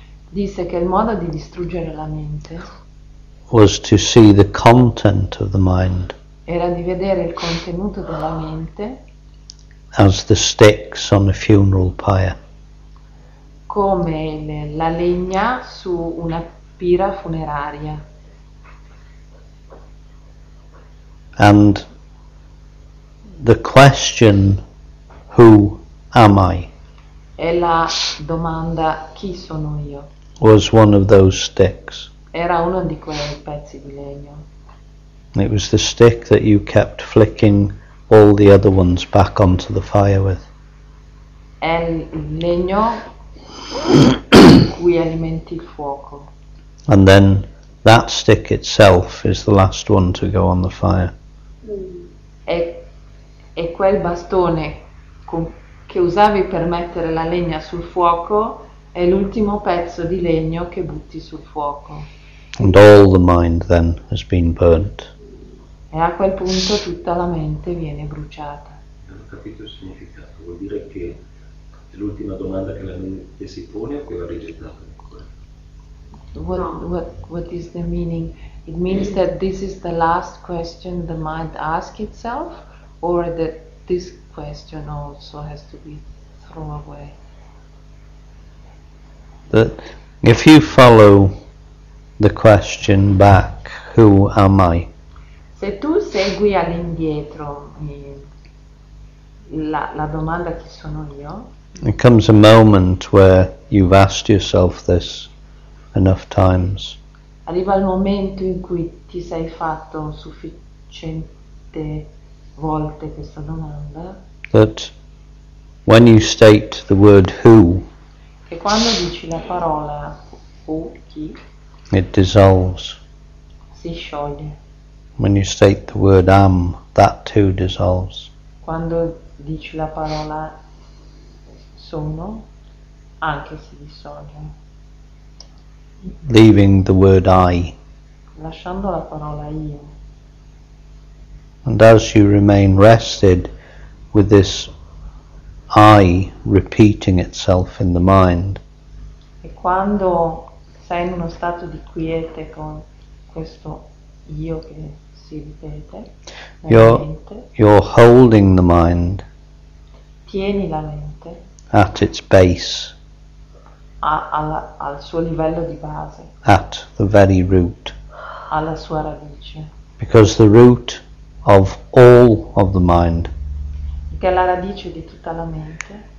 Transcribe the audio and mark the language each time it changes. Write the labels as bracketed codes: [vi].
[it] disse che il modo di distruggere la mente, [en] was to see the content of the mind, [it] era di vedere il contenuto della mente, [en] as the sticks on a funeral pyre, [it] come la legna su una spira funeraria. [en] And the question, who am I? [it] E la domanda, chi sono io? [en] Was one of those sticks. [it] Era uno di quei pezzi di legno. [en] It was the stick that you kept flicking all the other ones back onto the fire with. [it] È il legno cui alimenti il fuoco. [en] And then that stick itself is the last one to go on the fire. [it] E quel bastone che usavi per mettere la legna sul fuoco è l'ultimo pezzo di legno che butti sul fuoco. [en] And all the mind then has been burnt. [it] E a quel punto tutta la mente viene bruciata. Ho capito il significato, vuol dire che l'ultima domanda che la mente si pone è quella rigettata ancora. [en] What is the meaning? It means that this is the last question the mind asks itself, or that this question also has to be thrown away. That if you follow the question back, who am I? [it] Se tu segui all'indietro la domanda chi sono io. [en] It comes a moment where you've asked yourself this enough times. [it] Arriva il momento in cui ti sei fatto sufficiente volte questa domanda. [en] That when you state the word who. [it] Che quando dici la parola who, chi. [en] It dissolves. [it] Si scioglie. [en] When you state the word am, that too dissolves. [it] Quando dici la parola sono, anche si dissolve. [en] Leaving the word I. [it] Lasciando la parola io. [en] And as you remain rested with this I repeating itself in the mind. [it] E quando sei in uno stato di quiete con questo io che si ripete, [en] you're holding the mind. [it] Tieni la mente. [en] At its base. [it] Al suo livello di base. [en] At the very root. [it] Alla sua radice. [en] Because the root of all of the mind. [it] Che è la radice di tutta la mente.